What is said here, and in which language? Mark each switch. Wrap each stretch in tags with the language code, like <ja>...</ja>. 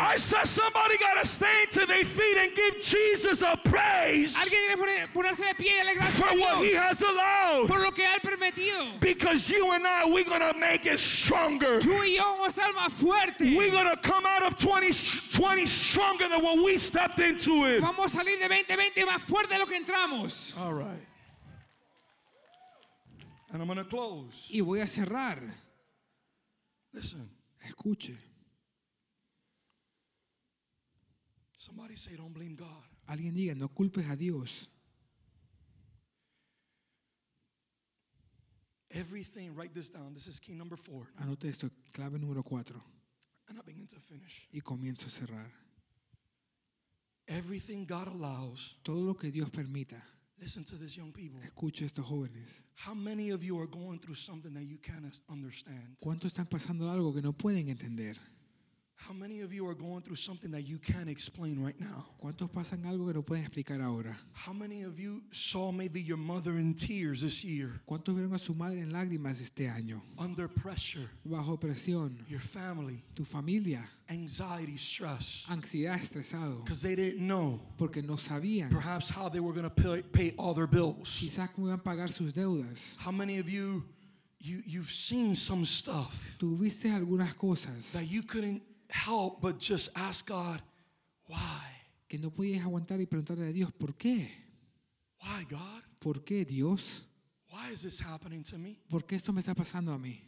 <en>I said somebody gotta stand to their feet and give Jesus a praise.</en> <es>Alguien debe ponerse de pie y darle gracias a Dios.</es> <en>For what he has allowed.</en> <es>Por lo que ha permitido.</es> <en>Because you and I, we're gonna make it stronger.</en> <es>Tú y yo vamos a ser más fuerte.</es> <en>We're gonna come out of 2020 stronger than what we stepped into it.</en> <es>Vamos a salir de 2020 más fuerte de lo que entramos.</es> <en>All right. And I'm gonna close.</en> <es>Y voy a cerrar.</es> <en>Listen.</en> <es>Escuche.</es> <en>Somebody say, don't blame God.</en> <es>Alguien diga, no culpes a Dios.</es> <en>Everything, write this down. This is key number 4.</en> <es>Anote esto, clave número 4.</es> <en>And I begin to finish.</en> <es>Y comienzo a cerrar.</es> <en>Everything God allows.</en> <es>Todo lo que Dios permita.</es> <en>Listen to this, young people.</en> <es>Escuche estos jóvenes.</es> <en>How many of you are going through something that you can't understand?</en> <es>¿Cuántos están pasando algo que no pueden entender?</es> <en>How many of you are going through something that you can't explain right now?</en> <es>¿Cuántos pasan algo que no pueden explicar ahora?</es> <en>How many of you saw maybe your mother in tears this year?</en> <es>¿Cuántos vieron a su madre en lágrimas este año?</es> <en>Under pressure.</en> <es>Bajo presión.</es> <en>Your family.</en> <es>Tu familia.</es> <en>Anxiety, stress.</en> <es>Ansiedad, estresado.</es> <en>Because they didn't know.</en> <es>Porque no sabían.</es> <en>Perhaps how they were going to pay all their bills.</en> <es>Quizás cómo iban a pagar sus deudas.</es> <en>How many of you, you've seen some stuff.</en> <es>Tuviste algunas cosas.</es> <en>That you couldn't help but just ask God, why?</en> <es>Que no podías aguantar y preguntarle a Dios, ¿por qué?</es> <en>Why, God?</en> <es>¿Por qué, Dios?</es> <en>Why is this happening to me?</en> <es>¿Por qué esto me está pasando a mí?</es>